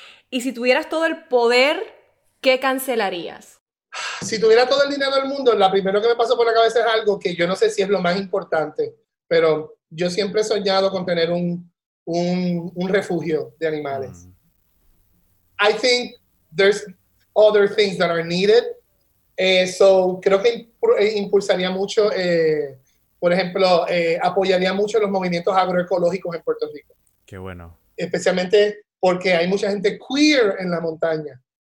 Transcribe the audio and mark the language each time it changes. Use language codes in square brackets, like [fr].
[es] Y si tuvieras todo el poder, ¿qué cancelarías? Si tuviera todo el dinero del mundo, lo primero que me pasó por la cabeza es algo que yo no sé si es lo más importante, pero yo siempre he soñado con tener un refugio de animales. [en] I think there's other things that are needed. [es] So creo que impulsaría mucho, por ejemplo, apoyaría mucho los movimientos agroecológicos en Puerto Rico. Qué bueno. Especialmente porque hay mucha gente queer en la montaña.